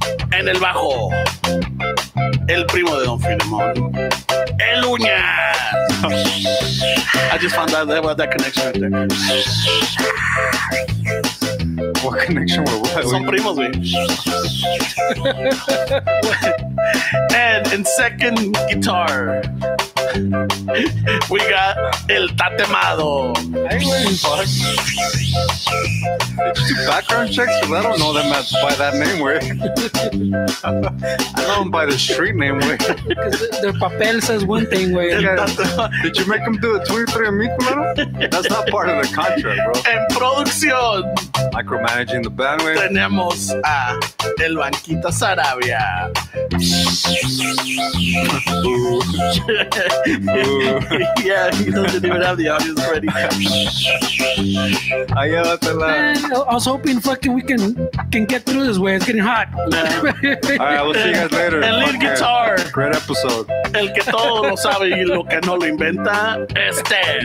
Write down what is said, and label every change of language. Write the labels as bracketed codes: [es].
[es] En el bajo, el primo de Don Filemon, El Uñas. [en] I just found out there was that connection right there. What connection were what? [es] Son primos, we. [en] And in second guitar, we got El Tatemado. Did you do background checks? Because I don't know them by that name, way. I know them by the street name, way. Because their papel says one thing, way. Did you make them do a 23andMe, man? That's not part of the contract, bro. [es] En producción. [en] Micromanaging the bandwidth. [es] Tenemos a El Banquito Sarabia. [en] Yeah, he doesn't even have the audience ready. I was hoping fucking we can get through this way. It's getting hot. Yeah. All right, we'll see you guys later. And lead guitar. Great episode. [es] El que todo lo sabe y lo que no lo inventa es Dan.